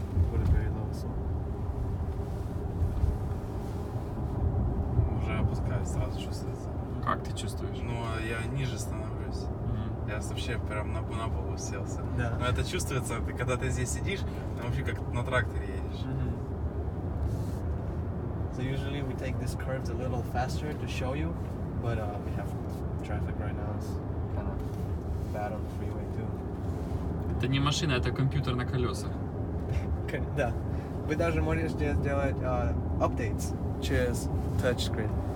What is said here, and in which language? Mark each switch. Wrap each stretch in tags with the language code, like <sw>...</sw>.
<en>What a very low song.</en> <ru>Уже опускаюсь, сразу чувствуется. Как ты чувствуешь? Ну, я ниже становлюсь. Я вообще прям на пол уселся. Да. Но это чувствуется, когда ты здесь сидишь, там вообще как на тракторе едешь.</ru> <en>So usually we take these curves a little faster to show you, but we have traffic right now. It's kind of bad on the freeway too.</en> <ru>Это не машина, это компьютер на колесах. Да. Вы даже можете сделать updates через тачскрин.</ru>